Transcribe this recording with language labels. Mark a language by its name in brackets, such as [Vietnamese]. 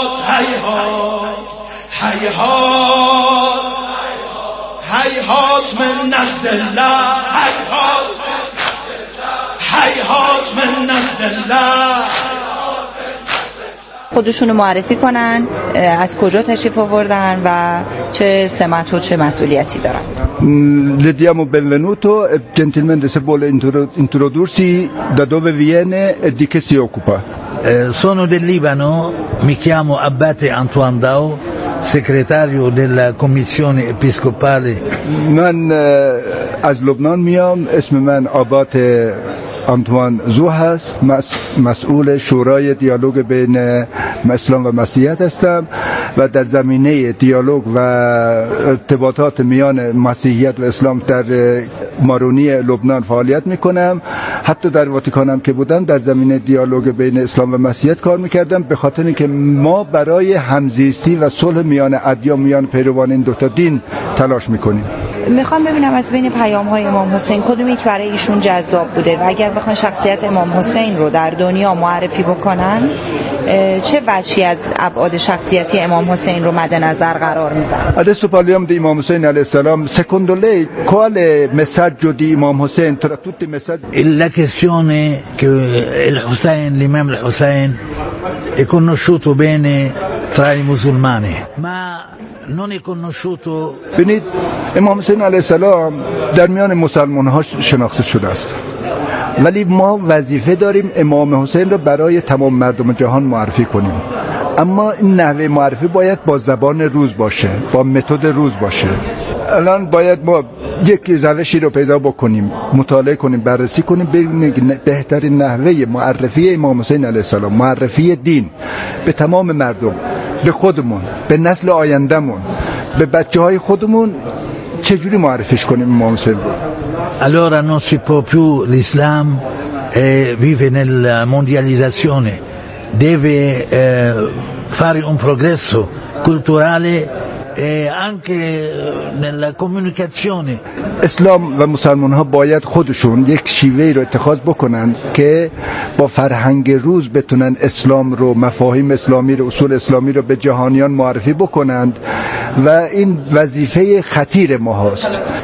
[Arabic] هیهات هیهات هیهات من نزل الله هیهات هیهات من نزل الله [Persian] خودشونو معرفی کنن، از کجا تشریف آوردن و چه سمت و چه مسئولیتی دارن. [Italian] Le diamo benvenuto, gentilmente se vuole introdursi, da dove viene e di che si occupa. Sono del Libano, mi chiamo Abate Antoine Dao, segretario della commissione episcopale. [Persian] من از لبنان میام، اسم من Abate Antoine Zou هست، مسئول شورای دیالوگ بین اسلام و مسیحیت هستم و در زمینه دیالوگ و ارتباطات میان مسیحیت و اسلام در مارونی لبنان فعالیت میکنم. حتی در واتیکانم که بودم در زمینه دیالوگ بین اسلام و مسیحیت کار میکردم، به خاطر اینکه ما برای همزیستی و صلح میان ادیان، میان پیروان این دوتا دین تلاش میکنیم. میخوام ببینم از بین پیام های امام حسین کدوم یک برای ایشون جذاب بوده و اگر بخوان شخصیت امام حسین رو در دنیا معرفی بکنن، چه وجهی از ابعاد شخصیتی امام حسین رو مد نظر قرار میدن؟ [Italian] Adesso parliamo di Imam Hussein alayhi salam. Secondo lei quale messaggio di Imam Hussein tra tutti i messaggi? La questione che il Hussein, l'Imam Hussein è conosciuto bene tra i musulmani, ma non è conosciuto. [Persian] Benit, امام حسین علیه السلام در میان مسلمان ها شناخته شده است، ولی ما وظیفه داریم امام حسین را برای تمام مردم جهان معرفی کنیم. اما این نحوه معرفی باید با زبان روز باشه، با متد روز باشه. الان باید ما یک روشی رو پیدا بکنیم، مطالعه کنیم، بررسی کنیم، ببینیم بهترین نحوه معرفی امام حسین علیه السلام، معرفی دین به تمام مردم، به خودمون، به نسل آیندهمون، به بچه های خودمون چجوری معرفیش کنیم امام حسین رو. [Italian] Allora non si può più, l'Islam vive nella mondializzazione, deve fare un progresso culturale e anche nella comunicazione. [Persian] اسلام و مسلمان ها باید خودشون یک شیوه رو اتخاذ بکنن که با فرهنگ روز بتونن اسلام رو، مفاهیم اسلامی رو، اصول اسلامی رو به جهانیان معرفی بکنند، و این وظیفه خطیر ما هست.